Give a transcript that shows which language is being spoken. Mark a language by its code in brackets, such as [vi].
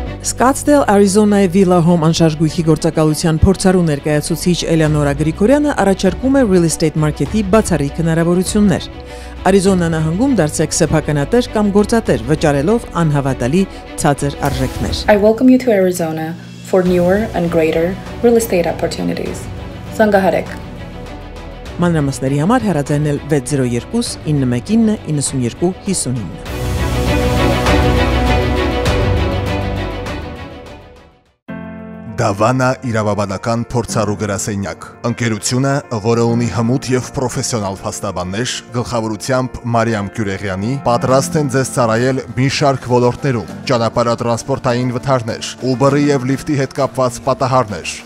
[hy] Scottsdale, Arizona-ի Villa Home անշարժգույքի գործակալության փորձառու ներկայացուցիչ Էլեոնորա Գրիգորյանը առաջարկում է [en] real estate market- [hy] ի բացառիկ հնարավորություններ։ Arizona-ն հնգում դարձեք սեփականատեր կամ գործատեր, վճարելով անհավատալի ցածր արժեքներ։ [en] I welcome you to Arizona for newer and greater real estate opportunities. [hy] Զանգահարեք։ Մանրամասների համար հեռաձայնել 602-919-9259։ Դավանա իրավաբանական փորձառու գրասենյակ, ընկերությունը, որը ունի հմուտ և պրոֆեսիոնալ փաստաբաններ, գլխավորությամբ Մարիամ Քյուրեղյանի, պատրաստ են ձեզ ծառայել մի շարք ոլորտներում, ճանապարհատրանսպորտային վթարներ, Uber-ի և Lyft-ի հետ կապված պատահարներ,